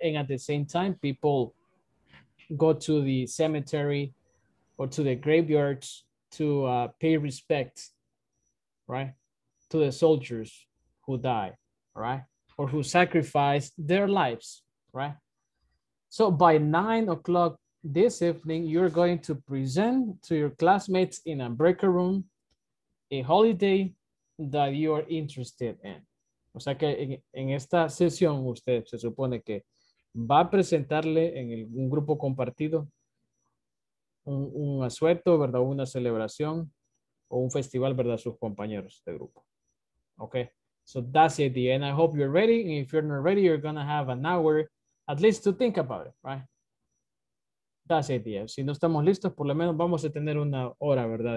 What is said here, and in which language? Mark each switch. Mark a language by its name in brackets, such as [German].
[English] And at the same time, people go to the cemetery or to the graveyards to pay respect, right, to the soldiers who died, right, or who sacrificed their lives, right? So by 9 o'clock this evening, you're going to present to your classmates in a breaker room a holiday that you are interested in. [Spanish] O sea que en esta sesión usted se supone que va a presentarle en un grupo compartido un asueto, ¿verdad? Una celebración o un festival, ¿verdad? Sus compañeros de grupo. [English] Okay, so that's the idea. And I hope you're ready. And if you're not ready, you're going to have an hour at least to think about it, right? That's the idea. [Spanish] Si no estamos listos, por lo menos vamos a tener una hora, ¿verdad?